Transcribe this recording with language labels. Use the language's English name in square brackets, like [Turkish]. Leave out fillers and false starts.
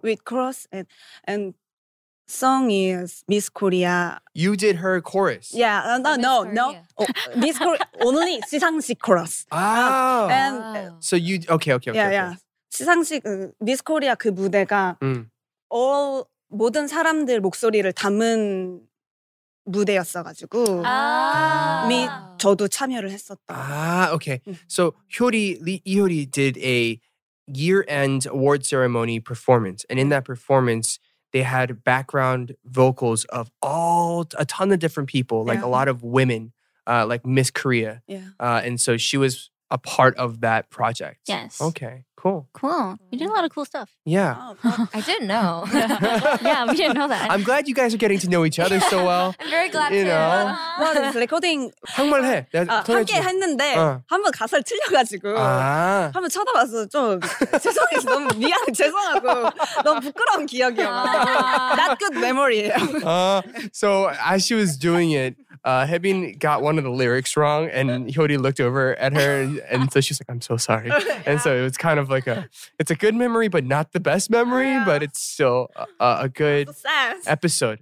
[English] With chorus and song is Miss Korea. You did her chorus. Yeah. No. Oh, Miss Korea. Only 시상식 chorus. Oh. And, so you... Okay. Yeah, yeah. [Korean] 시상식, Miss Korea 그 무대가 all... 모든 사람들 목소리를 담은 무대였어가지고 아~ 미, 저도 참여를 했었다. 아, okay. [English] So, Hyori, Lee Hyori did a year-end award ceremony performance. And in that performance, they had background vocals of all, a ton of different people. Like a lot of women, like Miss Korea. Yeah. And so she was a part of that project. Yes. Okay. Cool. You did a lot of cool stuff. Yeah. I didn't know. Yeah, we didn't know that. I'm glad you guys are getting to know each other so well. I'm very glad you too. Know. Well, this recording… [Korean] 한번 해. 함께 했는데 한번 가사를 틀려가지고 한번 쳐다봐서 좀 죄송해서 너무 미안해. 죄송하고 너무 부끄러운 기억이에요. [English] Not good memory예요. So as she was doing it, Hebin got one of the lyrics wrong and Hyori looked over at her and so she's like, I'm so sorry. Yeah. And so it was kind of like a, it's a good memory but not the best memory, yeah. But it's still a good episode.